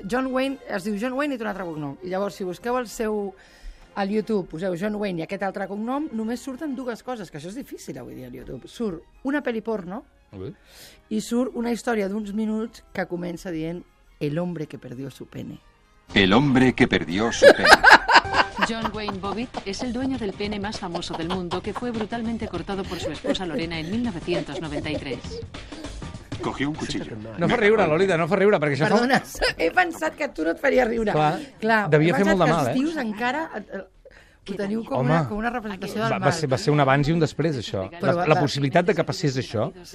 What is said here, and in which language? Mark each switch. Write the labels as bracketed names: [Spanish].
[Catalan] John Wayne, es diu John Wayne i té un altre cognom. I llavors, si busqueu el seu... al YouTube, poseu John Wayne i aquest altre cognom, només surten dues coses, que això és difícil avui dia al YouTube. Surt una pel·li porno i surt una història d'uns minuts que comença dient [Spanish] El hombre que perdió su pene. El hombre que perdió su pene. John Wayne Bobbitt es el dueño del pene más famoso del mundo, que fue brutalmente cortado por su esposa Lorena en 1993. Cogió un cuchillo. [Catalan] No fa riure, Lolita, no fa riure, perquè això... Perdona, he pensat que tu no et faria riure. Clar, clar, devia fer molt de mal, eh? Estius encara... Ho teniu com una representació del mal. Va ser un abans i un després, això. La possibilitat de que passés això...